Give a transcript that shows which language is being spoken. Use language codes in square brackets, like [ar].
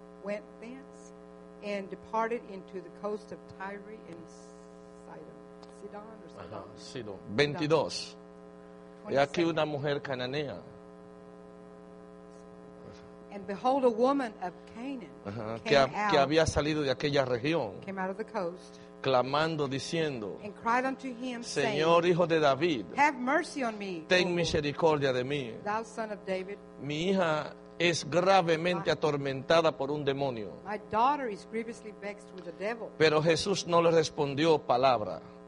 [en] went thence and departed into the coast of Tyre and Sidon. Sidon or Sidon? [es] Ajá, Sidon. 22. Y aquí una mujer cananea. [en] And behold, a woman of Canaan [es] que había salido de aquella región. [en] Came out of the coast. [es] Clamando, diciendo, [en] and cried unto him, [es] Señor, [en] saying, [es] Hijo de David, [en] have mercy on me, [es] ten misericordia de mí. [en] Thou son of David, [es] mi hija es gravemente atormentada por un demonio. [en] My daughter is grievously vexed with the devil. [es] Pero Jesús no le respondió palabra.